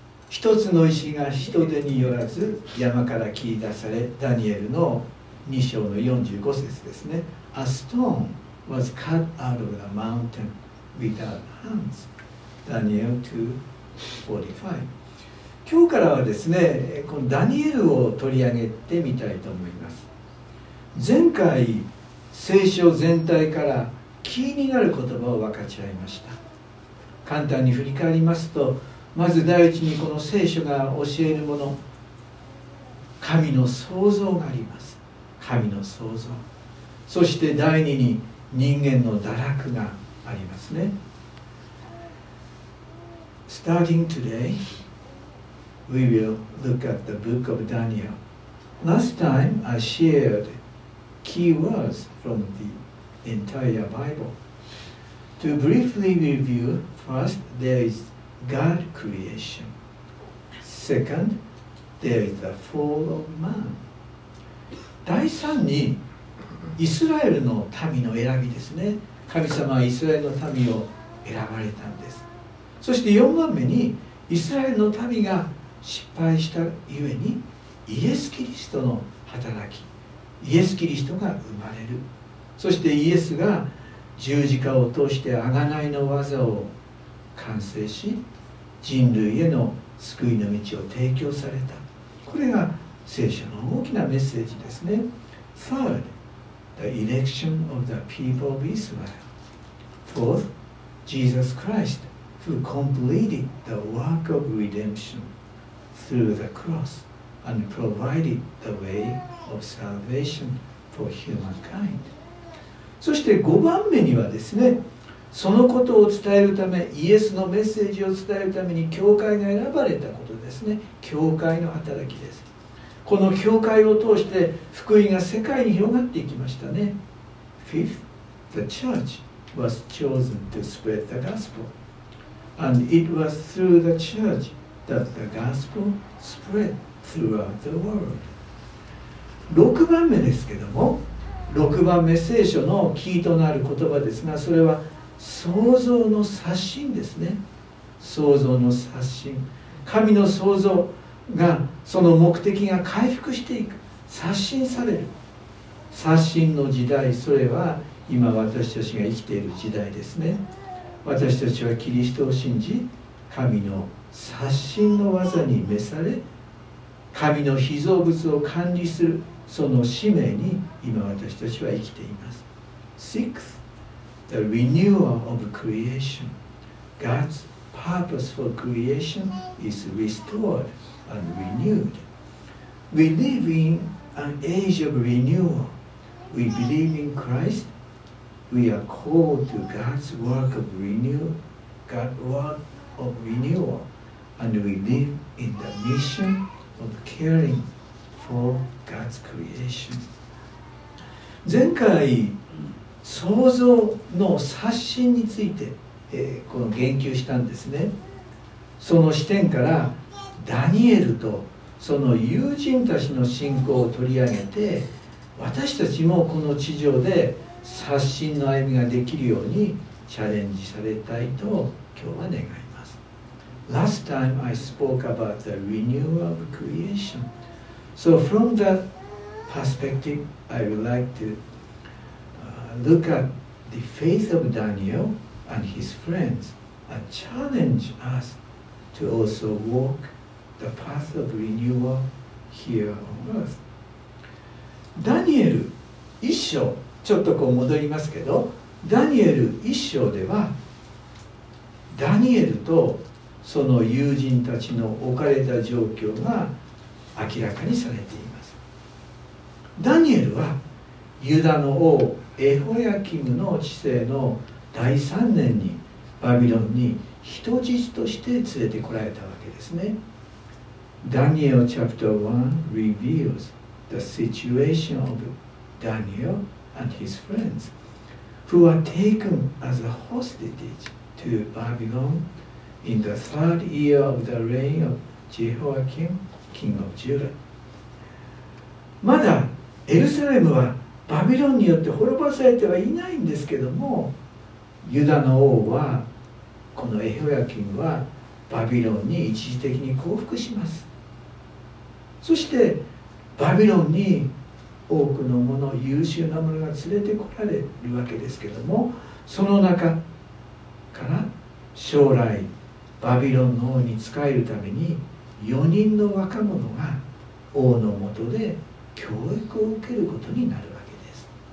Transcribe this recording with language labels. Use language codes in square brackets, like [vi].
[ja] 一つの石が人手によらず山から切り出され、ダニエルの2章の45節ですね。 [en] A stone was cut out of the mountain without hands. Daniel 2:45。 [ja] 今日からはですね、このダニエルを取り上げてみたいと思います。前回聖書全体から気になる言葉を分かち合いました。簡単に振り返りますと、まず第一にこの聖書が教えるもの、神の創造があります。神の創造、そして第二に人間の堕落がありますね。 [en] Starting today we will look at the book of Daniel. Last time I sharedkey words from the entire Bible. To briefly review, first, there is God creation. Second, there is the fall of man. [ja] 第三に、イスラエルの民の選びですね。神様はイスラエルの民を選ばれたんです。そして四番目に、イスラエルの民が失敗したゆえに、イエス・キリストの働き。イエス・キリストが生まれる。そしてイエスが十字架を通して贖いの技を完成し、人類への救いの道を提供された。これが聖書の大きなメッセージですね。 [en] Third, the election of the people of Israel. Fourth, Jesus Christ, who completed the work of redemption through the crossand provided the way of salvation for humankind. [ja] そして5番目にはですね、そのことを伝えるため、イエスのメッセージを伝えるために教会が選ばれたことですね。教会の働きです。この教会を通して福音が世界に広がっていきましたね。 [en] Fifth, the church was chosen to spread the gospel. And it was through the church that the gospel spreadThroughout the world. [ja] 6番目ですけども、6番目聖書のキーとなる言葉ですが、それは創造の刷新ですね。創造の刷新、神の創造が、その目的が回復していく、刷新される。刷新の時代、それは今私たちが生きている時代ですね。私たちはキリストを信じ、神の刷新の技に召され、神の被造物を管理する、その使命に今私たちは生きています。 [en] Sixth, the renewal of creation. God's purpose for creation is restored and renewed. We live in an age of renewal. We believe in Christ. We are called to God's work of renewal, God's work of renewal, and we live in the mission. Of caring for God's creation. [ja] 前回創造の刷新について、この言及したんですね。その視点からダニエルとその友人たちの信仰を取り上げて、私たちもこの地上で刷新の歩みができるようにチャレンジされたいと今日は願います。 [en] Last time I spoke about the renewal of creation. So from that perspective, I would like to look at the faith of Daniel and his friends and challenge us to also walk the path of renewal here on earth. [ja] ダニエル一章、ちょっとこう戻りますけど、ダニエル一章ではダニエルとその友人たちの置かれた状況が明らかにされています。ダニエルはユダの王エホヤキムの治世の第3年にバビロンに人質として連れてこられたわけですね。 [en] ダニエル chapter 1 reveals the situation of Daniel and his friends who are taken as a hostage to BabylonIn the third year of the reign of Jehoiakim, king of Judah. [ja] まだエルサレムはバビロンによって滅ぼされてはいないんですけども、ユダの王は、このエホヤキムはバビロンに一時的に降伏します。そしてバビロンに多くのもの、優秀なものが連れてこられるわけですけれども、その中から将来バビロンの王に仕えるために4人の若者が王の下で教育を受けることになるわけです。